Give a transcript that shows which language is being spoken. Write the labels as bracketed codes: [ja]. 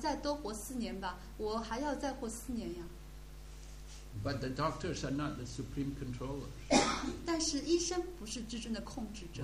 [zh] 有时候那人们跑到医生面前说，求求你让我再多活4年吧，我还要再活4年呀。 [en] But the doctors are not the supreme controllers. [zh] 但是医生不是至尊的控制者。